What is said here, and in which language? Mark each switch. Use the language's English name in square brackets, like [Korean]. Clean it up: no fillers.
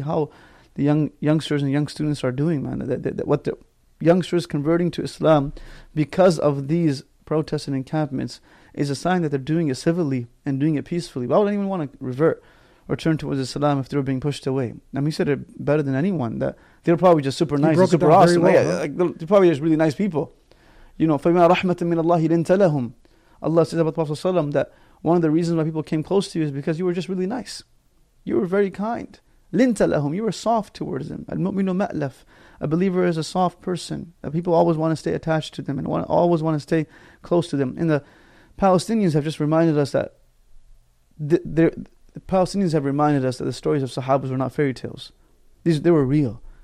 [English] How the youngsters and young students are doing, man. What the youngsters converting to Islam because of these protests and encampments is a sign that they're doing it civilly and doing it peacefully. Why would anyone want to revert or turn towards Islam if they were being pushed away? I mean, he said it better than anyone, that they're probably just super nice, and super awesome. Well, huh? Like, they're probably just really nice people. You know, [Arabic] فَمَا رَحْمَةٍ مِنَ اللَّهِ لِنْتَ لَهُمْ. [English] Allah says about Prophet ﷺ that one of the reasons why people came close to you is because you were just really nice. You were very kind. [Arabic] Linta lahum, [English] you were soft towards them. [Arabic] Al-mu'minu ma'laf. [English] A believer is a soft person. People always want to stay attached to them and always want to stay close to them. And the Palestinians have just reminded us that the Palestinians have reminded us that the stories of Sahabas were not fairy tales. They were real.